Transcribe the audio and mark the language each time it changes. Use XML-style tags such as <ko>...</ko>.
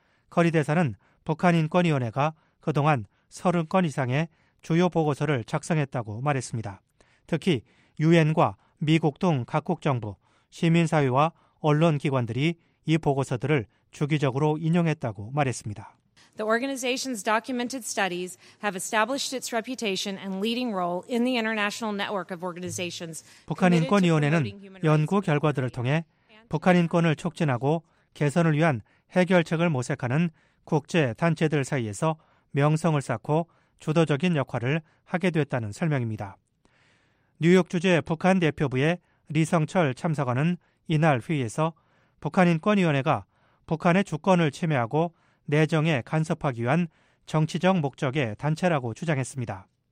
<ko>거리 대사는 북한인권위원회가 그동안 30건 이상의 주요 보고서를 작성했다고 말했습니다. 특히 유엔과 미국 등 각국 정부, 시민사회와 언론기관들이 이 보고서들을 주기적으로 인용했다고 말했습니다.</ko> <en>The organization's documented studies have established its reputation and leading role in the international network of organizations.</en> <ko>북한인권위원회는 연구 결과들을 통해 북한인권을 촉진하고 개선을 위한 해결책을 모색하는 국제 단체들 사이에서 명성을 쌓고 주도적인 역할을 하게 됐다는 설명입니다. 뉴욕 주재 북한 대표부의 리성철 참사관은 이날 회의에서 북한인권위원회가 북한의 주권을 침해하고 내정에 간섭하기 위한 정치적 목적의 단체라고 주장했습니다.</ko>